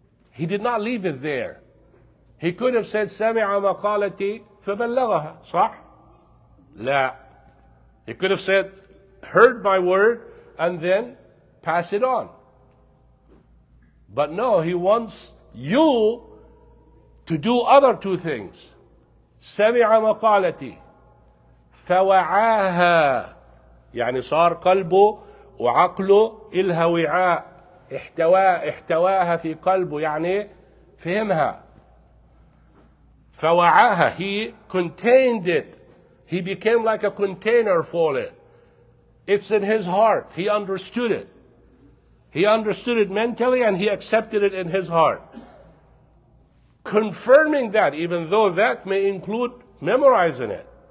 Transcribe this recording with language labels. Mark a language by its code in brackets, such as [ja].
[en] He did not leave it there. He could have said, سَمِعَ مَقَالَتِي فَبَلَّغَهَا, صح? [ar] لَا. [en] He could have said, heard my word, and then pass it on. But no, he wants you to do other two things. [ar] سمع مقالتي فوعاها, يعني صار قلبه وعقله إلها وعاء, احتواها في قلبه, يعني فهمها. [en] فوعاها, he contained it, he became like a container for it, it's in his heart, he understood it mentally and he accepted it in his heart. Confirming that, even though that may include memorizing it.